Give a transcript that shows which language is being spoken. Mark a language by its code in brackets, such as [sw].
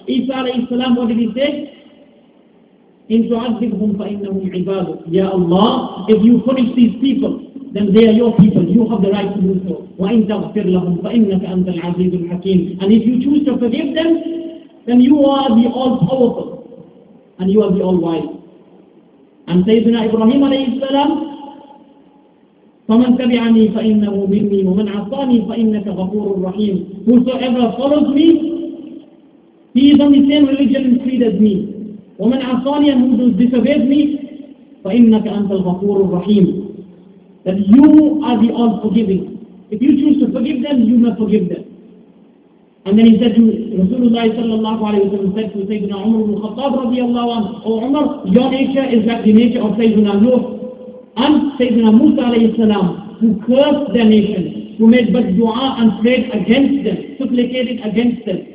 [en] Isa alayhi salam, what did he say? [ar] In tu'adzibhum fa'innahum ibaduk. [en] Ya Allah, if you punish these people, then they are your people. You have the right to do so. [ar] Wa in taghfir lahum fa'innaka anta al-azizu al-hakim. [en] And if you choose to forgive them, then you are the all-powerful and you are the all-wise." And Sayyidina Ibrahim alayhi salam, [ar] فَمَنْ تَبِعَنِي فَإِنَّهُ مِنِّي وَمَنْ عَصَانِي فَإِنَّكَ غَفُورٌ رَحِيمٌ. [en] Whosoever follows me, he is on the same religion and creed as me. [ar] وَمَنْ عَصَانِي [en] and who disobeys me, [ar] فَإِنَّكَ أَنْتَ الْغَفُورُ الرَّحِيمُ. [en] That you are the all-forgiving. If you choose to forgive them, you must forgive them. And then he said to Rasulullah sallallahu alayhi wa sallam, said to Sayyidina Umar ibn Khattab radiallahu anhu, "O Umar, your nature is like the nature of Sayyidina Nuh and Sayyidina Musa alayhi salam, who cursed their nation, who made bad dua and prayed against them, supplicated against them."